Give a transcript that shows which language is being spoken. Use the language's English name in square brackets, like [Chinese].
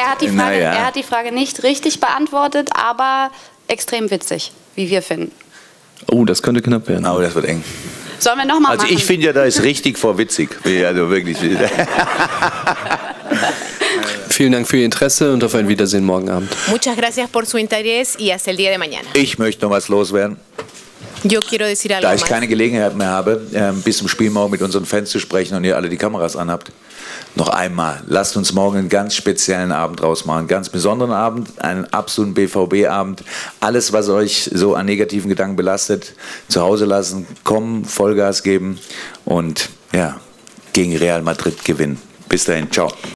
[German] Er hat die Frage nicht richtig beantwortet, aber extrem witzig, wie wir finden. Oh, das könnte knapp werden. Aber das wird eng. Sollen wir nochmal also machen? Also ich finde ja, da ist richtig vor witzig. Also wirklich. Vielen Dank für Ihr Interesse und auf ein Wiedersehen morgen Abend. [Spanish] Muchas gracias por su interés y hasta el día de mañana. [German] Ich möchte noch was loswerden. [Spanish] Yo quiero decir algo [German] da ich keine Gelegenheit mehr habe, bis zum Spiel morgen mit unseren Fans zu sprechen und ihr alle die Kameras anhabt, noch einmal, lasst uns morgen einen ganz speziellen Abend rausmachen, einen ganz besonderen Abend, einen absoluten BVB-Abend. Alles, was euch so an negativen Gedanken belastet, zu Hause lassen, kommen, Vollgas geben und ja, gegen Real Madrid gewinnen. Bis dahin, ciao.